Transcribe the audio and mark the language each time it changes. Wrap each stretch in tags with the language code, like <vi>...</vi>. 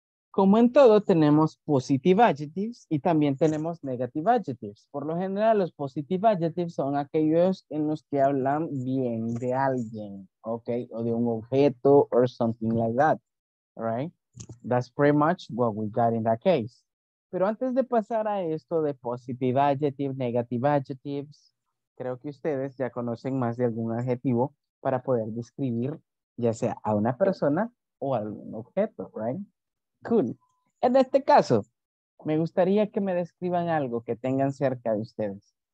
<es>Como en todo, tenemos positive adjectives y también tenemos negative adjectives. Por lo general, los positive adjectives son aquellos en los que hablan bien de alguien, ¿ok? O de un objeto</es> <en>or something like that,</en> <es>right?</es> <en>That's pretty much what we got in that case.</en> <es>Pero antes de pasar a esto de positive adjectives, negative adjectives, creo que ustedes ya conocen más de algún adjetivo para poder describir ya sea a una persona o a algún objeto, right? Cool. En este caso, me gustaría que me describan algo que tengan cerca de ustedes.</es>